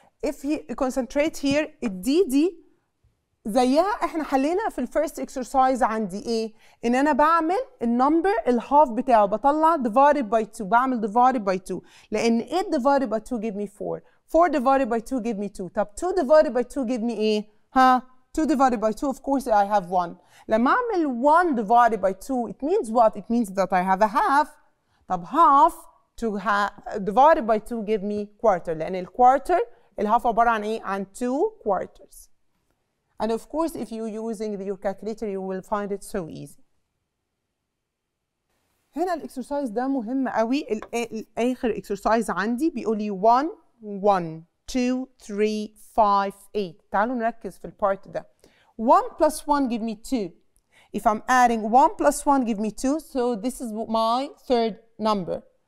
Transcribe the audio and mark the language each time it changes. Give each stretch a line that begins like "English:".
English: If you concentrate here,
Arabic: الD دي زيها احنا حلينا في الـ first exercise عندي إيه؟ إن أنا بعمل
English: الـ number الـ half بتاعه بطلع divided by 2, بعمل divided by 2, لأن 8 divided by 2 give me 4, 4 divided by 2 give me 2, طب 2 divided by 2 give me إيه؟ ها؟ 2 divided by 2, of course I have 1. لما أعمل 1 divided by 2, it means what? It means that I have a half. طب half to divided by 2 give me quarter.
Arabic: لأن الquarter, الhalf عبارة عن إيه؟ عن
English: 2 quarters. And of course, if you're using your calculator, you will find it so easy.
Arabic: هنا الإكسرسايز ده مهم أوي. الآخر إكسرسايز عندي بيقول لي 1, 1.
English: 2, 3, 5, 8.
Arabic: تعالوا نركز في البارت ده.
English: 1 plus 1 give me 2. If I'm adding 1 plus 1 give me 2, so this is my third number.